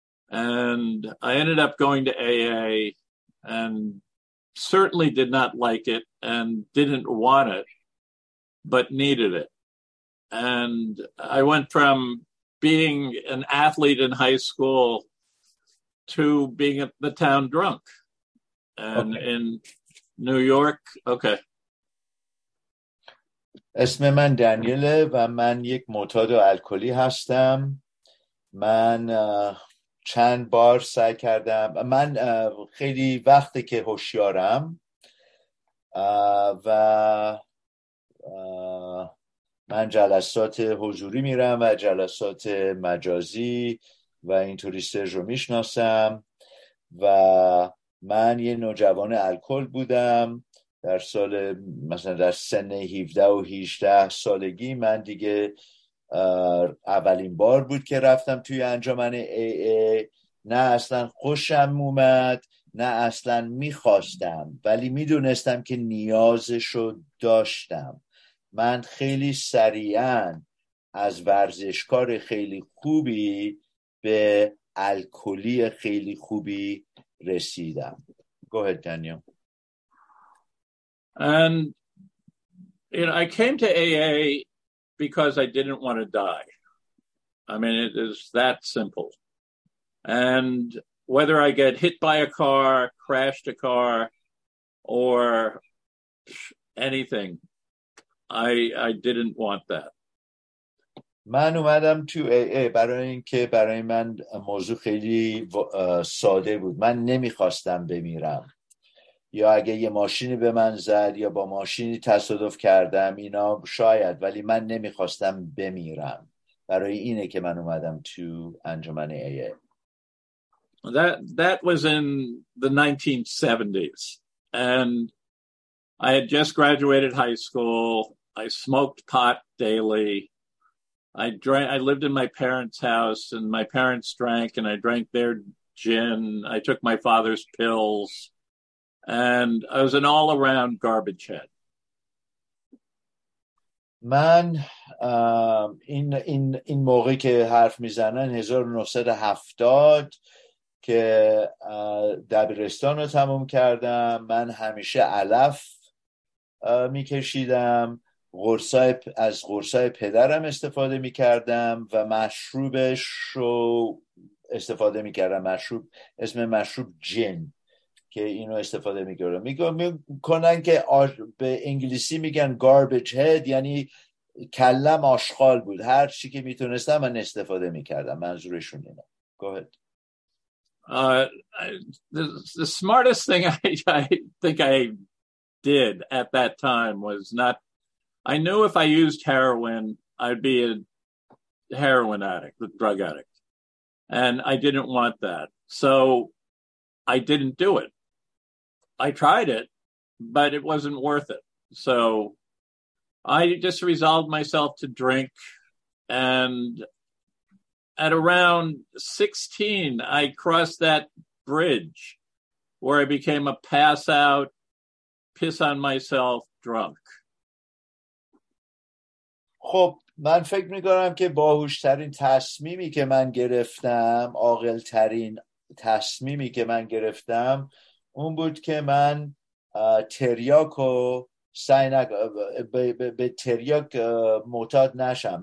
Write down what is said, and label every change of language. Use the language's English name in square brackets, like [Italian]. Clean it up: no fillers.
[English] And I ended up going to AA and certainly did not like it and didn't want it, but needed it. And I went from being an athlete in high school to being at the town drunk and okay. In New York. Okay. [Persian] اسم من دانیله و من یک معتاد الکلی هستم. من چند بار سعی کردم، من خیلی وقته که هوشیارم و من جلسات حضوری میرم و جلسات مجازی و اینطوری سرژ رو میشناسم و من یه نوجوان الکل بودم در سال، مثلا در سن 17 و 18 سالگی. من دیگه اولین بار بود که رفتم توی انجمن AA، نه اصلا خوشم اومد نه اصلا میخواستم، ولی میدونستم که نیازشو داشتم. من خیلی سریعا از ورزشکار خیلی خوبی به الکلی خیلی خوبی رسیدم. [English] Go ahead, Daniel. And you know, I came to AA because I didn't want to die. I mean, it is that simple. And whether I get hit by a car, crashed a car, or anything, I didn't want that. [Persian] من اومدم تو AA برای اینکه برای من موضوع خیلی ساده بود. من نمیخواستم بمیرم. یا اگه یه ماشینی به من زد یا با ماشینی تصادف کردم، اینا شاید، ولی من نمیخواستم بمیرم. برای اینه که من اومدم تو انجمن AA. [English] That was in the 1970s and I had just graduated high school. I smoked pot daily. I lived in my parents' house and my parents drank and I drank their gin. I took my father's pills and I was an all around garbage head. [Persian] من این موقعی که حرف میزنن 1970 که دبیرستان رو تموم کردم، من همیشه علف میکشیدم، از قرصای پدرم استفاده می کردم و مشروبش رو استفاده می کردم. مشروب، اسم مشروب جن که اینو استفاده می کردم. می کنن که به انگلیسی میگن [English] garbage head، [Persian] یعنی کلم آشغال بود. هر چی که می تونستم من استفاده می کردم. منظورشون اینه. [English] Go ahead. The smartest thing I think I did at that time was not, I knew if I used heroin, I'd be a heroin addict, the drug addict. And I didn't want that. So I didn't do it. I tried it, but it wasn't worth it. So I just resolved myself to drink. And at around 16, I crossed that bridge where I became a pass out, piss on myself drunk. [Persian] خب من فکر میکنم که باهوشترین تصمیمی که من گرفتم، عاقلترین تصمیمی که من گرفتم اون بود که من تریاکو سعی به تریاک معتاد نشم.